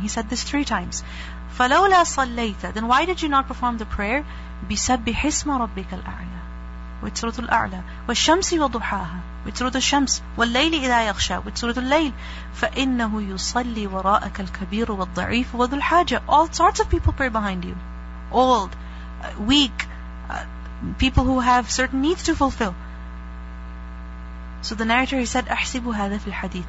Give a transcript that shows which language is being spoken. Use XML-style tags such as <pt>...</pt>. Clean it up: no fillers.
<en>He said this 3 times.</en> <ar>فلولا صليت,</ar> <en>then why did you not perform the prayer</en> <ar>بسبح اسم ربك الأعلى with سورة الأعلى والشمس وضحاها with سورة الشمس والليل إذا يغشى with سورة الليل فإنه يصلي وراءك الكبير والضعيف وذو الحاجة.</ar> <en>All sorts of people pray behind you, old, weak, people who have certain needs to fulfill. So the narrator, he said,</en> <ar>أحسب هذا في الحديث.</ar>